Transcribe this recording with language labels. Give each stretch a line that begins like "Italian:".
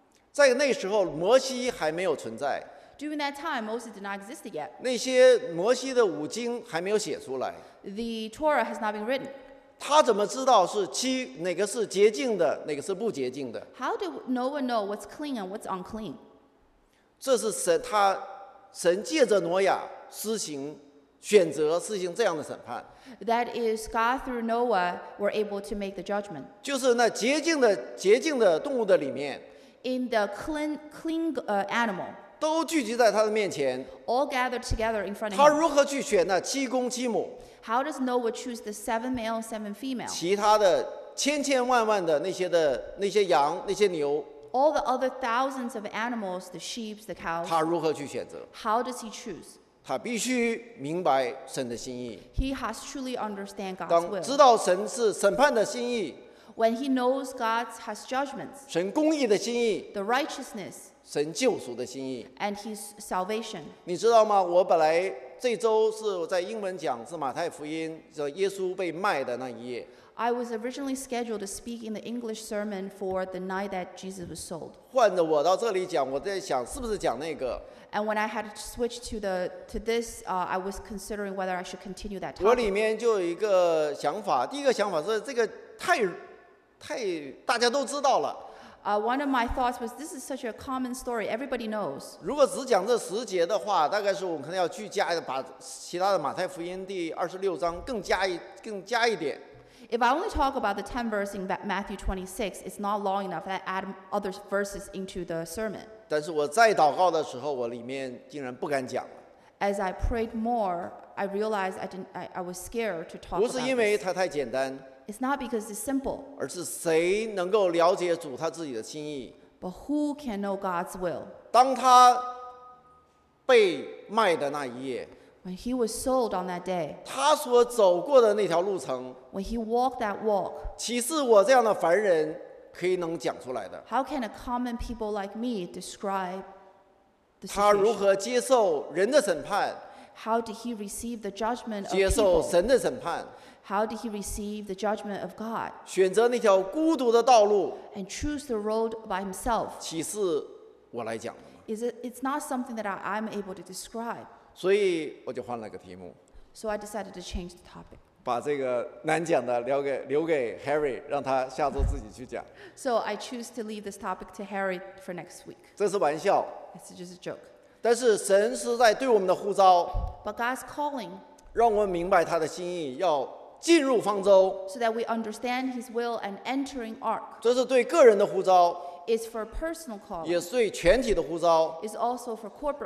Chinese: 在那时候，摩西还没有存在。
English: During that time, Moses did not exist yet.
Chinese: 那些摩西的五经还没有写出来。
English: The Torah has not been written.
Chinese: 他怎么知道是七哪个是洁净的，哪个是不洁净的
English: ？How did Noah know what's clean and what's unclean?
Chinese: 这是神借着挪亚施行选择，施行这样的审判。
English: That is God through Noah were able to make the judgment.
Chinese: 就是那洁净的动物的里面。
English: In the clean animal,
Chinese: 都聚集在他的面前。
English: All gathered together in front of him.
Chinese: 他如何去选那七公七母
English: ？How does Noah choose the seven male, seven female?
Chinese: 其他的千千万万的那些羊、那些牛。
English: All the other thousands of animals, the sheep, the cows.
Chinese: 他如何去选择
English: ？How does he choose?
Chinese: 他必须明白神的心意。
English: He has truly understand God's will.
Chinese: 当知道神是审判的心意。
English: When he knows God has judgments,
Chinese: 神公义的心意
English: the righteousness,
Chinese: 神救赎的心意
English: and his salvation.
Chinese: 你知道吗？我本来这周是在英文讲是马太福音，叫耶稣被卖的那一夜。
English: I was originally scheduled to speak in the English sermon for the night that Jesus was sold.
Chinese: 换着我到这里讲，我在想是不是讲那个。
English: And when I had switched to this, I was considering whether I should continue that topic.
Chinese: 我里面就有一个想法，第一个想法是这个太大家都知道了。
English: One of my thoughts was this is such a common story. Everybody knows.
Chinese: 如果只讲这十节的话，大概是我们可能要去加把其他的马太福音第二十六章更加一点。
English: If I only talk about the 10 verses in Matthew 26, it's not long enough. I add other verses into the sermon.
Chinese: 但是我再祷告的时候，我里面竟然不敢讲了。
English: As I prayed more, I realized I was scared to talk.
Chinese: 不是因为它太简单。
English: It's not because it's simple.
Chinese: 而是谁能够了解主他自己的心意。
English: But who can know God's will?
Chinese: 当他被卖的那一夜。
English: When he was sold on that day.
Chinese: 他所走过的那条路程。
English: When he walked that walk.
Chinese: 岂是我这样的凡人。可以能讲出来的。
English: How can a common people like me describe the situation?
Chinese: 他如何接受人的审判？
English: How did he receive the judgment of God?
Chinese: 接受神的审判。
English: How did he receive the judgment of God?
Chinese: 选择那条孤独的道路。
English: And choose the road by himself.
Chinese: 岂是我来讲的吗？
English: Is it, it's not something that I'm able to describe.
Chinese: 所以我就换了个题目。
English: So I decided to change the topic.
Chinese: 把这个难讲的留给 Harry, 让他下周自己去讲。
English: So I choose to leave this topic to Harry for next week.
Chinese: 这是玩笑。
English: It's just a joke.
Chinese: 但是神是在对我们的呼召，
English: But God's calling,
Chinese: 让我们明白他的心意，要进入方舟。
English: So that we understand His will and entering ark.
Chinese: 这是对个人的呼召，
English: is for personal calling.
Chinese: 也是对全体的呼召，
English: is also for corporate calling.